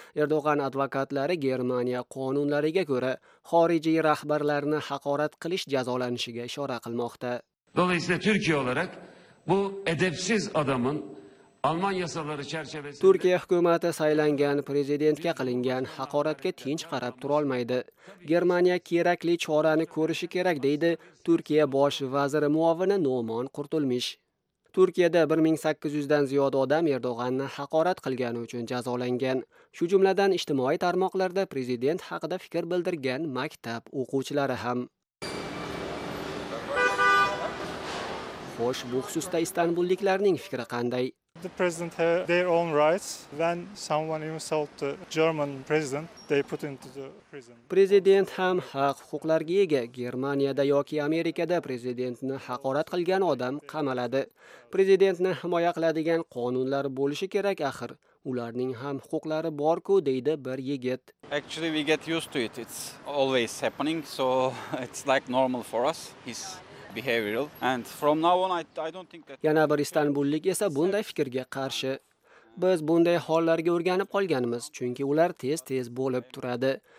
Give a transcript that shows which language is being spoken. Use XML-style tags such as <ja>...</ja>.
<uz>Erdo'g'on advokatlari Germaniya qonunlariga ko'ra, xorijiy rahbarlarni haqorat qilish jazolanishiga ishora qilmoqda.</uz> <tr>Dolayısıyla Türkiye olarak bu edepsiz adamın Alman yasaları çerçevesinde</tr> <uz>Türkiye hükümeti saylangan prezidentga qilingan haqoratga tinch qarab tura olmaydi. Germaniya kerakli chorani ko'rishi kerak deydi Turkiya bosh vaziri muavini Nomon Qurtulmish. Turkiyada 1800 dan ziyod odam Erdo'g'onni haqorat qilgani uchun jazolangan. Shu jumladan ijtimoiy tarmoqlarda prezident haqida fikr bildirgan maktab o'quvchilari ham. Xo'sh, bu xususda Istanbulliklarning fikri qanday?</uz> <en>The president have their own rights. When someone insults the German president, they put into the prison.</en> <uz>Prezident ham haq-huquqlarga ega. Germaniyada yoki Amerikada prezidentni haqorat qilgan odam qamaladi. Prezidentni himoya qiladigan qonunlar bo'lishi kerak axir. Ularning ham huquqlari bor-ku, deydi bir yigit.</uz> <en>Actually we get used to it. It's always happening, so it's like normal for us. He's behavioral and from now on I don't think that</en> <uz>Yana bir Istanbullik esa bunday fikrga qarshi. Biz bunday hollarga o'rganib qolganmiz, chunki ular tez-tez bo'lib turadi.</uz>